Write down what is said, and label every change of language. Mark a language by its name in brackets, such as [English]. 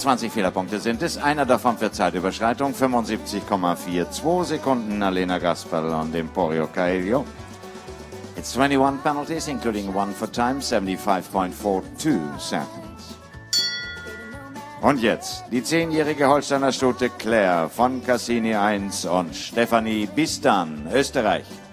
[German] Fehlerpunkte sind es, einer davon für Zeitüberschreitung, 75,42 Sekunden, Alena Gasperl und Emporio Caelio. [English] It's minutes, 21 penalties, including one for time, 75.42 seconds. [German] Und jetzt die 10-jährige Holsteiner Stute Claire von Cassini 1 und Stefanie Bistan, Österreich.